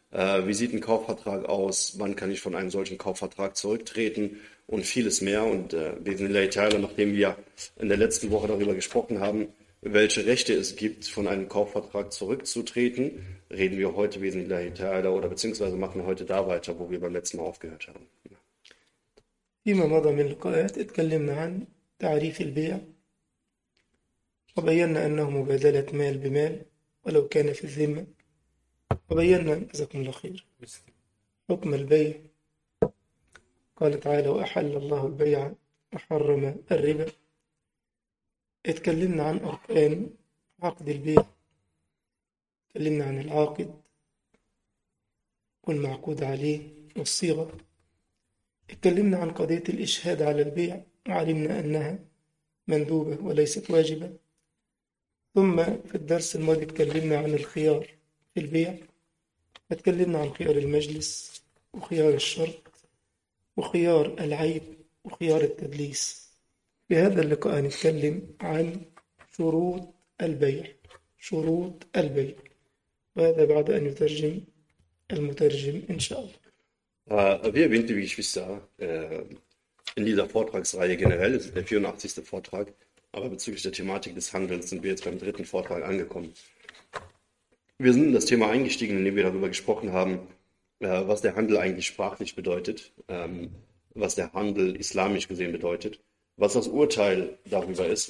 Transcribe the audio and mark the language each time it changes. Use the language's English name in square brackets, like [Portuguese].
[German] Wie sieht ein Kaufvertrag aus? Wann kann ich von einem solchen Kaufvertrag zurücktreten? Und vieles mehr. Und nachdem wir in der letzten Woche darüber gesprochen haben, welche Rechte es gibt, von einem Kaufvertrag zurückzutreten, reden wir heute wesentlich detaillierter oder beziehungsweise machen heute da weiter, wo wir beim letzten Mal aufgehört haben. [Arabic] فيما مضى من لقاءات اتكلمنا عن تعريف البيع، وبينا أنه مبادلة مال بمال ولو كان في الذمة، وبينا جزاكم الله خير حكم البيع. قال تعالى: وأحل الله البيع وحرم الربا. اتكلمنا عن أركان عقد البيع، اتكلمنا عن العاقد والمعقود عليه والصيغة، اتكلمنا عن قضية الإشهاد على البيع، وعلمنا أنها مندوبة وليست واجبة. ثم في الدرس الماضي اتكلمنا عن الخيار في البيع، اتكلمنا عن خيار المجلس وخيار الشرط وخيار العيب وخيار التدليس. في هذا اللقاء نتكلم عن شروط البيع، وهذا بعد أن يترجم المترجم إن شاء الله. [German] Wie erwähnt, wie Geschwister, in dieser Vortragsreihe generell, das ist der 84. Vortrag, aber bezüglich der Thematik des Handelns sind wir jetzt beim 3. Vortrag angekommen. Wir sind in das Thema eingestiegen, in dem wir darüber gesprochen haben, was der Handel eigentlich sprachlich bedeutet, was der Handel islamisch gesehen bedeutet, was das Urteil darüber ist.